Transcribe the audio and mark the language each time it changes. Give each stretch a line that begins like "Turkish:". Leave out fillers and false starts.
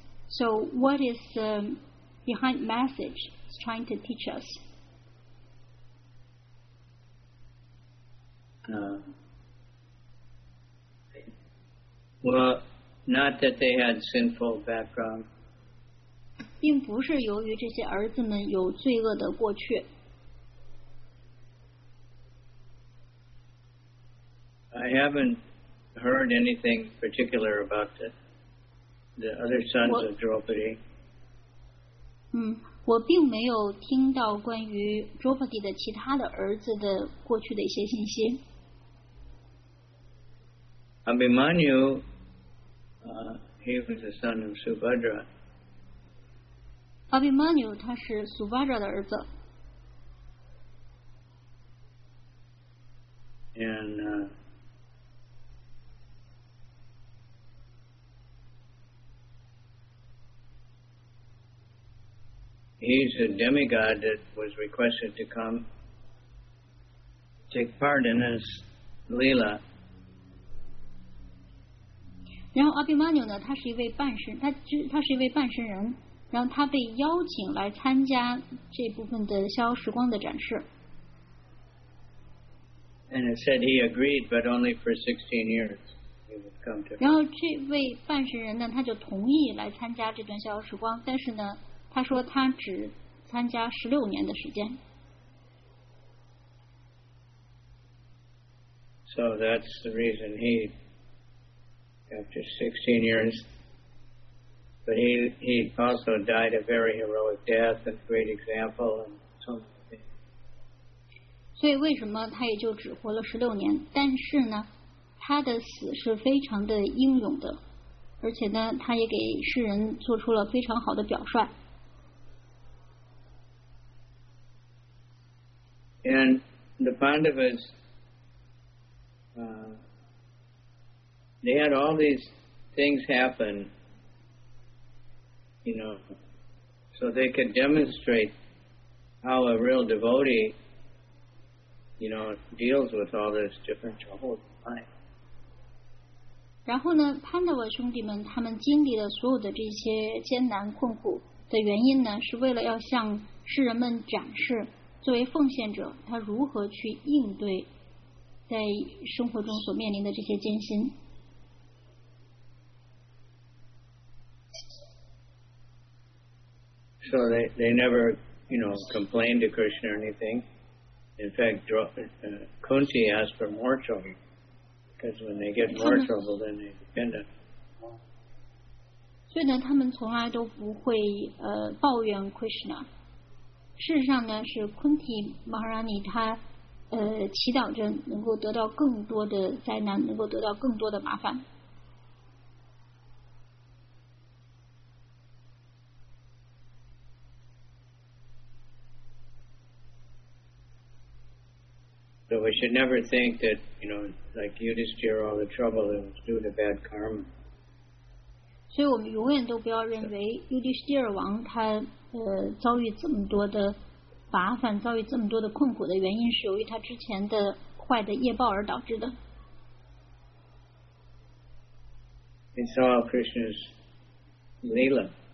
English: So what is behind message he's trying to teach us? Not that they had sinful background.
Chinese: 并不是由于这些儿子们有罪恶的过去。
English: I haven't heard anything particular about the other sons of Draupadi.
Chinese: 我并没有听到关于 Draupadi 的其他的儿子的过去的一些信息。
English: Abhimanyu, he was the son of Subhadra.
Chinese: Abhimanyu, 他是 Subhadra 的儿子。
English: And he's a demigod that was requested to come take part in his Leela.
Chinese: 然后 Abhimanyu 呢，他是一位半神，他是一位半神人，然后他被邀请来参加这部分的消时光的展示。
English: And it said he agreed, but only for 16 years he would come to.
Chinese: 然后这位半神人呢，他就同意来参加这段消时光，但是呢。他说他只参加16年的时间。
English: So that's the reason he, after 16 years, but he also died a very heroic death, a great example, and so on.
Chinese: 所以为什么他也就只活了16年？但是呢，他的死是非常的英勇的，而且呢，他也给世人做出了非常好的表率。
English: And the Pandavas, they had all these things happen, you know, so they could demonstrate how a real devotee, you know, deals with all this different troubled life.
Chinese: 然后呢 ，Pandava 兄弟们他们经历了所有的这些艰难困苦的原因呢，是为了要向世人们展示。作为奉献者，他如何去应对在生活中所面临的这些艰辛。
English: So they never, you know, complained to Krishna or anything. In fact, Kunti asked for more trouble. Because when they get more trouble, then they depend on.
Chinese: 所以呢，他们从来都不会抱怨 Krishna。事实上呢，是 Kunti Maharani 他祈祷着能够得到更多的灾难，能够得到更多的麻烦。
English: So we should never think that, you know, like Yudhishthira, all the trouble it was due to bad karma.
Chinese: 所以我们永远都不要认为 Yudhishthira 王他遭遇这么多的麻烦，遭遇这么多的困苦的原因是由于他之前的坏的业报而导致的。
English: It's all Krishna's lila.